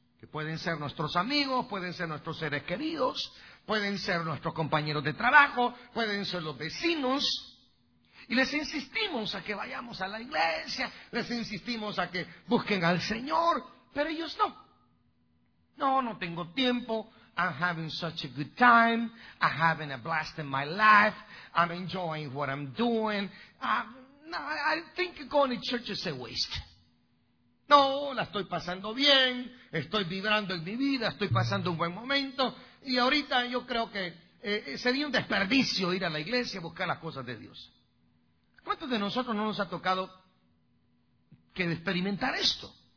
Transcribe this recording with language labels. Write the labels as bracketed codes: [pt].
[es] Que pueden ser nuestros amigos, pueden ser nuestros seres queridos, pueden ser nuestros compañeros de trabajo, pueden ser los vecinos. Y les insistimos a que vayamos a la iglesia, les insistimos a que busquen al Señor, pero ellos no. No, no tengo tiempo. [en] I'm having such a good time. I'm having a blast in my life. I'm enjoying what I'm doing. I think going to church is a waste. [es] No, la estoy pasando bien. Estoy vibrando en mi vida. Estoy pasando un buen momento. Y ahorita yo creo que sería un desperdicio ir a la iglesia a buscar las cosas de Dios. ¿Cuántos de nosotros no nos ha tocado que experimentar esto?